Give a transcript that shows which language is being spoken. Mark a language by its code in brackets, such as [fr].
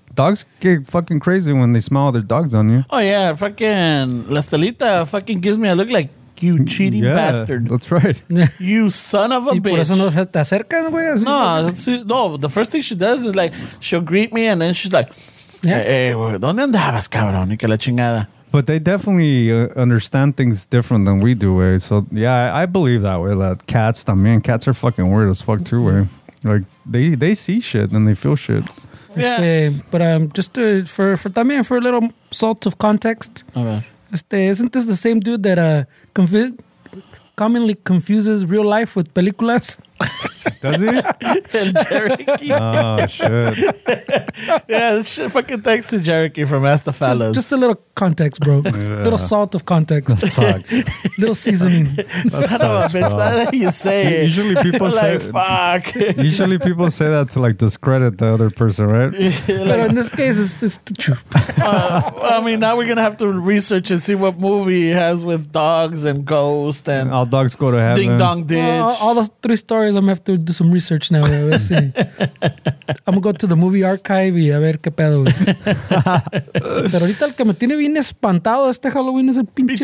[en] Dogs get fucking crazy when they smell other dogs on you. Oh yeah, fucking La Estelita fucking gives me a look like, you cheating bastard. That's right. You son of a bitch. [es] Por eso no se te acercan, güey. [en] No, the first thing she does is like, she'll greet me and then she's like, yeah. [es] Hey, wey, ¿dónde andabas, cabrón? Y que la chingada. [en] But they definitely understand things different than we do, güey. So, yeah, I believe that, way. That cats, man, cats are fucking weird as fuck too, güey. Like, they see shit and they feel shit. Yeah. Just to, for también, for a little salt of context. Okay. Isn't this the same dude that, commonly confuses real life with películas? Does he? And Jericho. Oh, shit. Yeah, shit, fucking thanks to Jericho from Ask the Fellas. Just a little context, bro. Yeah. Little salt of context. That sucks. Little seasoning. Son of a bitch, bro. Not that you say it. Usually people like, say, fuck. Usually people say that to like discredit the other person, right? But in this case, it's the truth. I mean, now we're going to have to research and see what movie has with dogs and ghosts and all dogs go to heaven. Ding dong ditch. All those three stories. I'm gonna have to do some research now. Let's see. I'm gonna go to the movie archive [es] y a ver qué pedo. Pero ahorita el que me tiene bien espantado este Halloween es el pinche